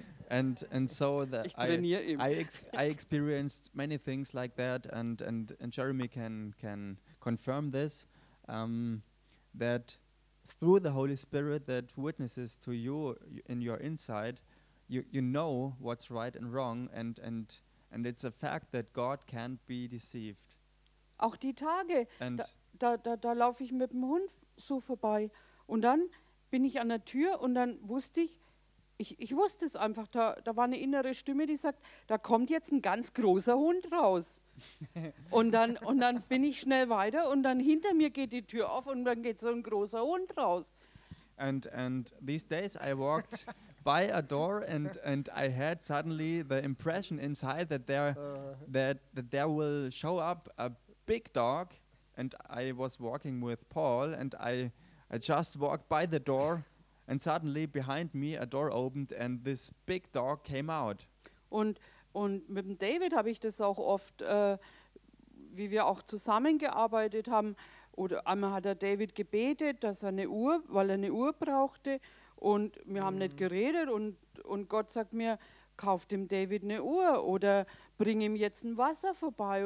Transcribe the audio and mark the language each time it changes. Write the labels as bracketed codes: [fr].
[en] and so that I experienced many things like that and Jeremy can confirm this, that through the Holy Spirit that witnesses to you in your inside, you know what's right and wrong, and it's a fact that God can't be deceived. [de] Auch die Tage, da laufe ich mit dem Hund so vorbei und dann bin ich an der Tür und dann wusste ich, ich wusste es einfach, da war eine innere Stimme, die sagt, da kommt jetzt ein ganz großer Hund raus. Und dann bin ich schnell weiter und dann hinter mir geht die Tür auf und dann geht so ein großer Hund raus. [en] And these days I walked by a door and I had suddenly the impression inside that there will show up a big dog, and I was walking with Paul and I just walked by the door and suddenly behind me a door opened and this big dog came out. [de] Und mit David habe ich das auch oft, wie wir auch zusammengearbeitet haben, oder einmal hat er David gebetet, dass er eine Uhr, weil er eine Uhr brauchte, und wir haben nicht geredet und Gott sagt mir, kauf dem David eine Uhr oder bring ihm jetzt ein Wasser vorbei.